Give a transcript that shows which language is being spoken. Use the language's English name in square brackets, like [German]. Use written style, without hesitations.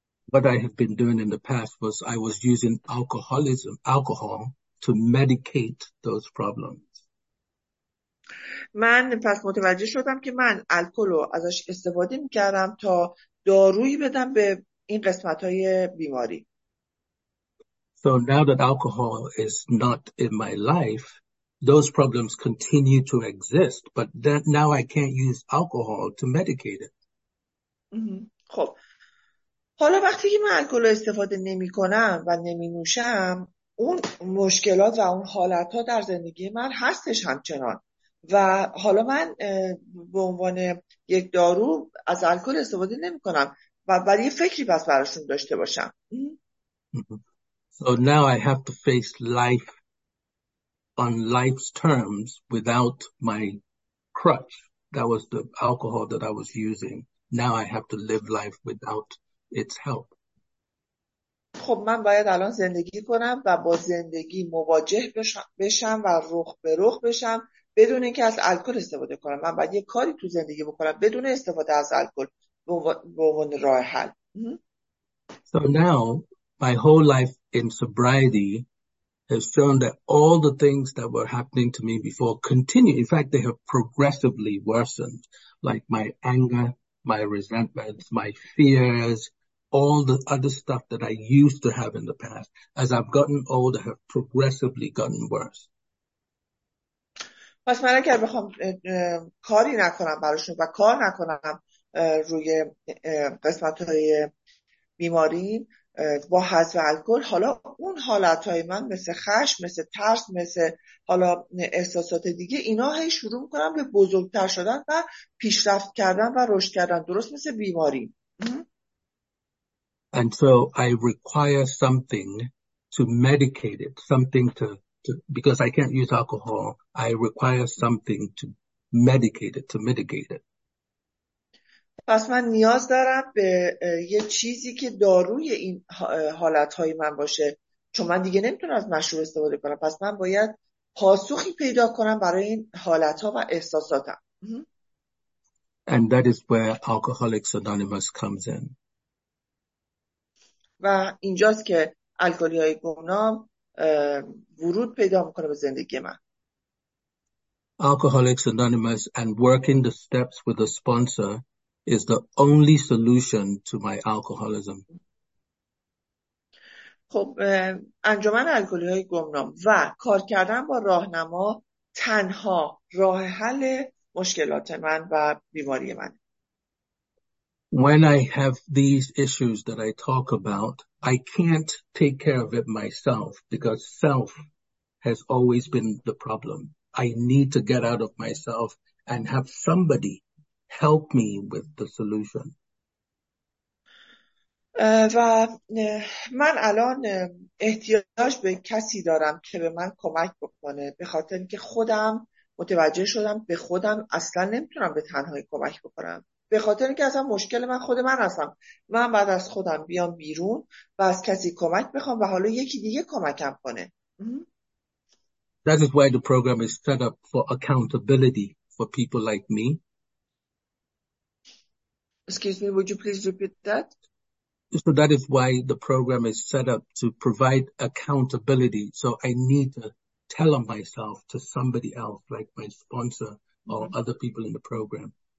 [English] What I have been doing in the past was I was using alcohol to medicate those problems. [Persian] من پس متوجه شدم که من الکل رو ازش استفاده می کردم تا دارویی بدم به این قسمت های بیماری. [English] So now that alcohol is not in my life, those problems continue to exist, but that now I can't use alcohol to medicate it. [Persian] خب حالا وقتی که من الکل استفاده نمی کنم و نمی نوشم، اون مشکلات و اون حالت ها در زندگی من هستش همچنان و حالا من به عنوان یک دارو از الکل استفاده نمی کنم و ولی یه فکری پس براشون داشته باشم. [English] So now I have to face life on life's terms without my crutch. That was the alcohol that I was using. Now I have to live life without its help. [Persian] خب من باید الان زندگی کنم و با زندگی مواجه بشم و رخ به رخ بشم بدون اینکه از الکل استفاده کنم. من باید یه کاری تو زندگی بکنم بدون استفاده از الکل به عنوان راه حل. [English] So now my whole life in sobriety has shown that all the things that were happening to me before continue. In fact, they have progressively worsened, like my anger, my resentments, my fears, all the other stuff that I used to have in the past. As I've gotten older, I have progressively gotten worse. [Persian] پس من اگر بخوام کاری نکنم براشون و کار نکنم روی قسمت های بیماری با حذف الکل، حالا اون حالت های من مثل خشم، مثل ترس، مثل حالا احساسات دیگه، اینا هی شروع میکنم به بزرگتر شدن و پیشرفت کردن و رشد کردن، درست مثل بیماری. [English] And so I require something to medicate it, something to because I can't use alcohol, I require something to medicate it, to mitigate it. [Persian] پس من نیاز دارم به یه چیزی که داروی این حالتهای من باشه، چون من دیگه نمیتونم از مشروب استفاده کنم، پس من باید پاسخی پیدا کنم برای این حالتها و احساساتم. [English] And that is where Alcoholics Anonymous comes in. [Persian] و اینجاست که الکلی های گمنام ورود پیدا میکنه به زندگی من. [English] Alcoholics Anonymous and working the steps with a sponsor is the only solution to my alcoholism. [Persian] خب انجمن الکلی های گمنام و کار کردن با راهنما تنها راه حل مشکلات من و بیماری من. [English] When I have these issues that I talk about, I can't take care of it myself because self has always been the problem. I need to get out of myself and have somebody help me with the solution. [Persian] و من الان احتیاج به کسی دارم که به من کمک بکنه، به خاطر اینکه خودم متوجه شدم به خودم اصلا نمیتونم به تنهایی کمک بکنم، به خاطر اینکه اصلا مشکل من خود من هستم، من بعد از خودم بیام بیرون و از کسی کمک بخوام و حالا یکی دیگه کمکم کنه. [English] That is why the program is set up for accountability for people like me. Excuse me, would you please repeat that? So that is why the program is set up to provide accountability. So I need to tell on myself to somebody else, like my sponsor or other people in the program.